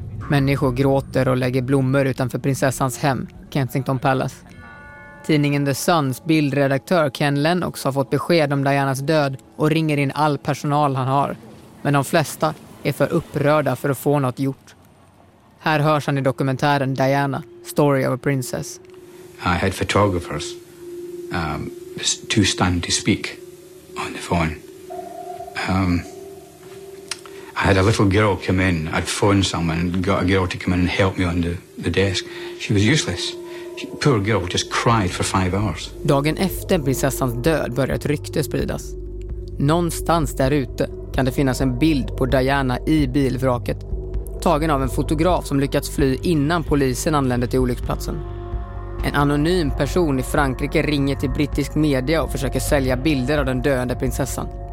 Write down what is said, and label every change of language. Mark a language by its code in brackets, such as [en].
[sv] Människor gråter och lägger blommor utanför prinsessans hem, Kensington Palace. Tidningen The Suns bildredaktör Ken Lennox har fått besked om Dianas död och ringer in all personal han har. Men de flesta är för upprörda för att få något gjort. Här hörs han i dokumentären Diana, Story of a Princess. [en] I had photographers, two stand to speak on the phone. I had a little girl come in, I'd phoned someone and got a girl to come in and help me on the desk. She was useless. Poor girl just cried for 5 hours. [sv] Dagen efter prinsessans död började ett rykte spridas. Någonstans där ute kan det finnas en bild på Diana i bilvraket, tagen av en fotograf som lyckats fly innan polisen anlände till olycksplatsen. En anonym person i Frankrike ringer till brittisk media och försöker sälja bilder av den döende prinsessan.